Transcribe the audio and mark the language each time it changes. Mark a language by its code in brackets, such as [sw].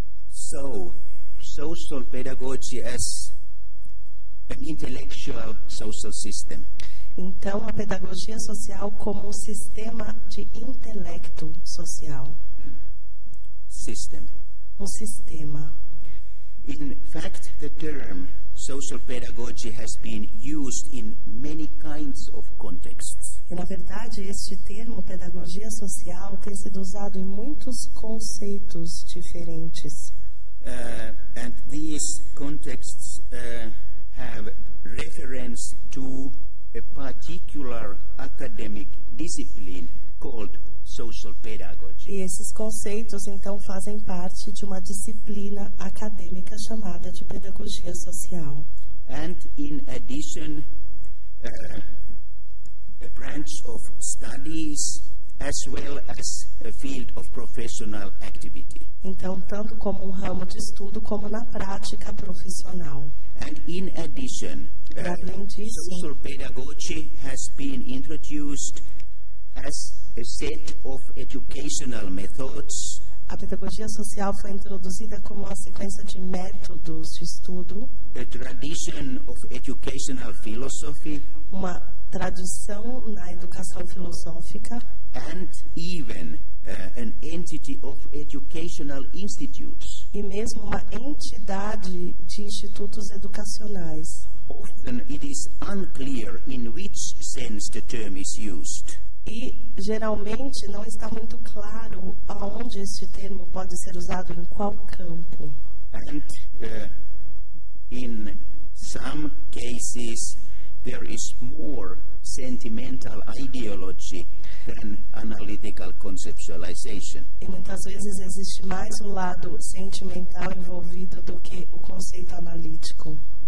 [en] So, social pedagogy as an intellectual social system. [pt] Então, a pedagogia social como um sistema de intelecto social. [en] System. [pt] Um sistema. [en] In fact, the term social pedagogy has been used in many kinds of contexts. [pt] E, na verdade, este termo, pedagogia social, tem sido usado em muitos conceitos diferentes. [en] And these contexts have reference to a particular academic discipline called social pedagogy. [pt] E esses conceitos então fazem parte de uma disciplina acadêmica chamada de pedagogia social. [en] And in addition, a branch of studies as well as a field of professional activity. [pt] Então, tanto como um ramo de estudo, como na prática profissional. [en] And in addition, social pedagogy has been introduced as a set of educational methods. [pt] A pedagogia social foi introduzida como uma sequência de métodos de estudo. [en] A tradition of educational philosophy. [pt] Uma tradição na educação filosófica. [en] And even an entity of educational institutes. [pt] E mesmo uma entidade de institutos educacionais. [en] Often it is unclear in which sense the term is used. [pt] E geralmente não está muito claro aonde este termo pode ser usado, em qual campo. [en] And in some cases there is more sentimental ideology than analytical conceptualization. [pt] E muitas vezes existe mais um lado sentimental envolvido do que o conceito analítico.